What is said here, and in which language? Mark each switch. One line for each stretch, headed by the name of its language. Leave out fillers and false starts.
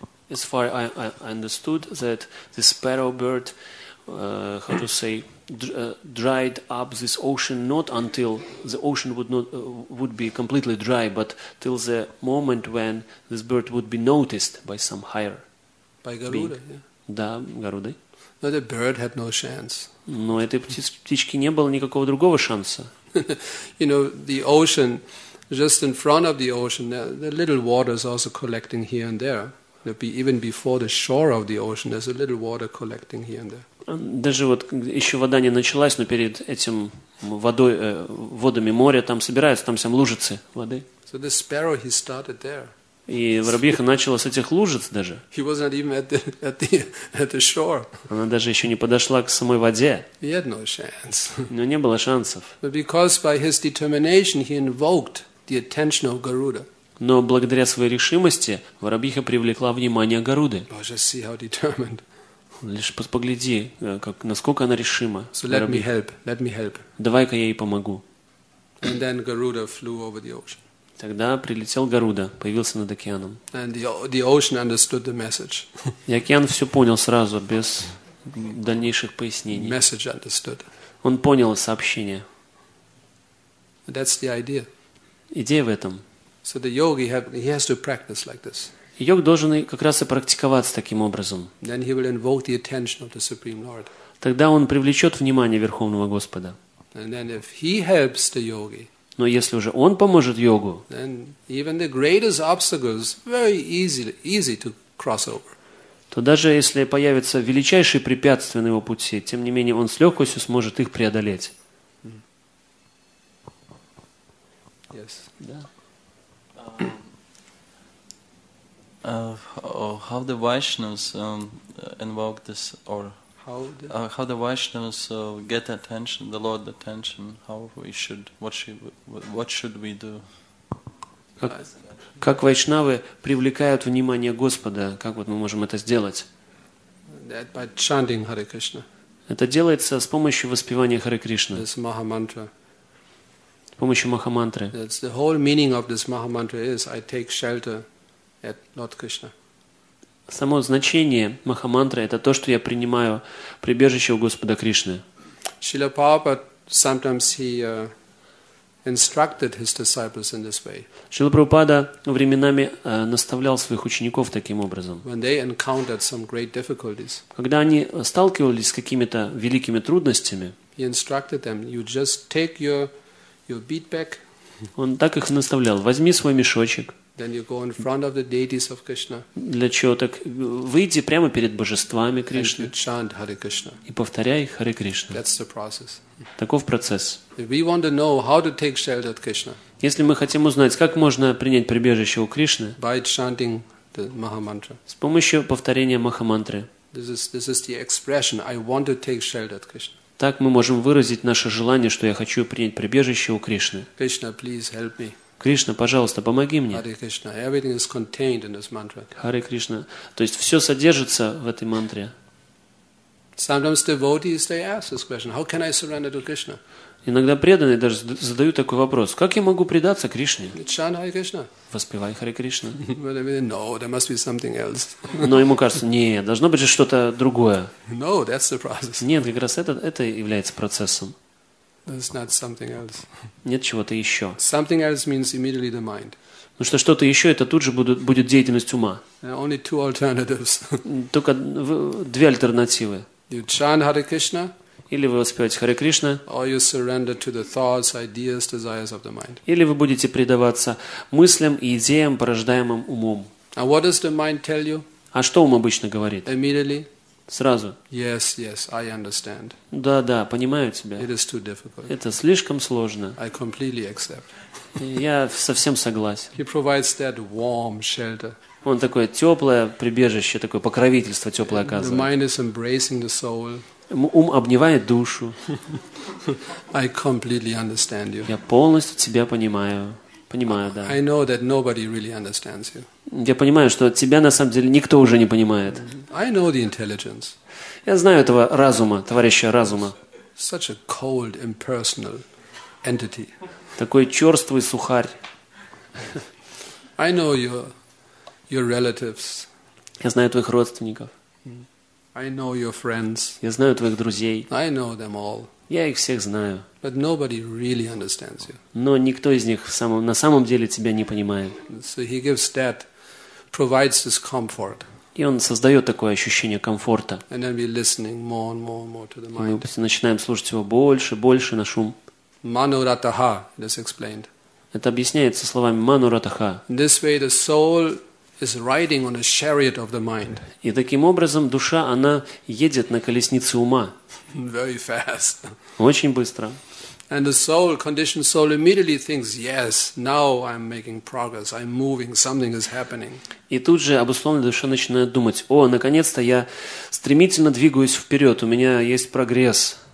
English: As far as I understood, that the sparrow bird, dried up this ocean not until the ocean would be completely dry, but till the moment when this bird would be noticed by some higher by Garuda, being.
Russian: Да, Гаруды.
English: No, the bird had no chance.
Russian: Но этой птичке не было никакого другого шанса.
English: You know, the ocean, just in front of the ocean, the little water is also collecting here and there. Even before the shore of the ocean, there's a little water collecting here and there.
Russian: Даже вот еще вода не началась, но перед этим водой, водами моря там собираются, там всем лужицы воды.
English: So the sparrow, he started there.
Russian: И воробьиха начала с этих лужиц даже.
English: He was not even at the shore.
Russian: Она даже еще не подошла к самой воде.
English: He had no chance.
Russian: Но не было шансов.
English: But because by his determination he invoked the attention of Garuda.
Russian: Но благодаря своей решимости воробьиха привлекла внимание Гаруды. Боже,
English: see how determined.
Russian: Лишь погляди, как, насколько она решима.
English: So let me help. Let me help.
Russian: Давай-ка я ей помогу.
English: And then Garuda flew over the ocean.
Russian: Тогда прилетел Гаруда, появился над океаном.
English: And the ocean understood the message.
Russian: И океан все понял сразу, без дальнейших пояснений.
English: Message understood.
Russian: Он понял сообщение.
English: That's the idea.
Russian: Идея в этом.
English: So the yogi he has to practice like this.
Russian: Йог должен как раз и практиковаться таким образом.
English: Then he will invoke the attention of the Supreme Lord.
Russian: Тогда он привлечет внимание Верховного Господа.
English: And then if he helps the yogi.
Russian: Но если уже он поможет йогу.
English: Then even the greatest obstacles very easy to cross over.
Russian: То даже если появятся величайшие препятствия на его пути, тем не менее он с легкостью сможет их преодолеть.
English: Yes.
Russian: Да.
English: How the Vaishnavas invoke this, or how the Vaishnavas get attention, the Lord attention? How we should, what should we do?
Russian: Как вайшнавы привлекают внимание Господа? Как вот мы можем это сделать?
English: That by chanting Hare Krishna.
Russian: Это делается с помощью воспевания Харе Кришны.
English: This Maha Mantra.
Russian: С помощью Махамантры.
English: That's the whole meaning of this Maha Mantra is I take shelter. At Lord Krishna.
Russian: Само значение Махамантры это то, что я принимаю прибежище у Господа Кришны.
English: Шрила Прабхупада sometimes he instructed his disciples in this way.
Russian: Шрила Прабхупада временами наставлял своих учеников таким образом.
English: When they encountered some great difficulties.
Russian: Когда они сталкивались с какими-то великими трудностями.
English: He instructed them, you just take your beat bag.
Russian: Он так их наставлял: возьми свой мешочек.
English: Then you go in front of the deities of Krishna.
Russian: Для чего так? Выйди прямо перед божествами Кришны.
English: And chant Hare Krishna.
Russian: И повторяй Харе Кришна.
English: That's the process.
Russian: Таков процесс.
English: If we want to know how to take shelter at Krishna.
Russian: Если мы хотим узнать, как можно принять прибежище у Кришны.
English: By chanting the Maha Mantra.
Russian: С помощью повторения Маха Мантры.
English: This is the expression. I want to take shelter at Krishna.
Russian: Так мы можем выразить наше желание, что я хочу принять прибежище у Кришны.
English: Krishna, please help me.
Russian: Кришна, пожалуйста, помоги мне.
English: Hare Krishna, everything is contained in this mantra.
Russian: Hare Krishna, то есть все содержится в этой мантре.
English: Sometimes devotees they ask this question: How can I surrender to Krishna?
Russian: Иногда преданные даже задают такой вопрос: как я могу предаться Кришне?
English: Chant Hare Krishna.
Russian: Воспевай Hare Krishna.
English: No, there must be something else.
Russian: Но ему кажется: не, должно быть что-то другое.
English: No, that's the process.
Russian: Нет, как раз это является процессом.
English: There's not something else.
Russian: Нет чего-то еще.
English: Something else means immediately the mind.
Russian: Ну что-то еще это тут же будет деятельность ума.
English: There are only two alternatives.
Russian: Только две альтернативы.
English: You chant Hare Krishna.
Russian: Или вы воспеваете Харе Кришна.
English: Or you surrender to the thoughts, ideas, desires of the mind.
Russian: Или вы будете предаваться мыслям и идеям, порождаемым умом.
English: And what does the mind tell you?
Russian: А что ум обычно говорит?
English: Immediately.
Russian: Сразу.
English: Yes, yes, I understand.
Russian: Да, да, понимаю тебя.
English: It is too difficult.
Russian: Это слишком сложно.
English: I completely accept.
Russian: Я совсем согласен.
English: He provides that warm shelter.
Russian: Он такое теплое прибежище, такое покровительство теплое оказывает.
English: The mind is embracing the soul.
Russian: Ум обнимает душу.
English: I completely understand you.
Russian: Я полностью тебя понимаю. Понимаю, да.
English: I know that nobody really understands you.
Russian: Я понимаю, что тебя на самом деле никто уже не понимает.
English: I know the intelligence.
Russian: Я знаю этого разума, товарища разума.
English: Such a cold, impersonal entity.
Russian: Такой черствый сухарь.
English: I know your relatives.
Russian: Я знаю твоих родственников.
English: I know your friends.
Russian: Я знаю твоих друзей.
English: I know them all.
Russian: Я их всех знаю.
English: But nobody really understands you.
Russian: Но никто из них на самом деле тебя не понимает.
English: So he gives that, provides this comfort.
Russian: И он создает такое ощущение комфорта.
English: And then we're listening more and more and more to the mind.
Russian: И мы начинаем слушать его больше и больше на шум.
English: Manurataha, it is explained.
Russian: Это объясняется словами Manurataha.
English: In this way the soul is riding on a chariot of the mind.
Russian: И таким образом душа, она едет на колеснице ума.
English: Very fast.
Russian: Очень быстро.
English: And the soul, conditioned soul, immediately thinks, yes, now I'm making progress, I'm moving, something is happening.
Russian: И тут же обусловленная душа начинает думать, о, наконец-то я стремительно двигаюсь вперед, у меня есть прогресс.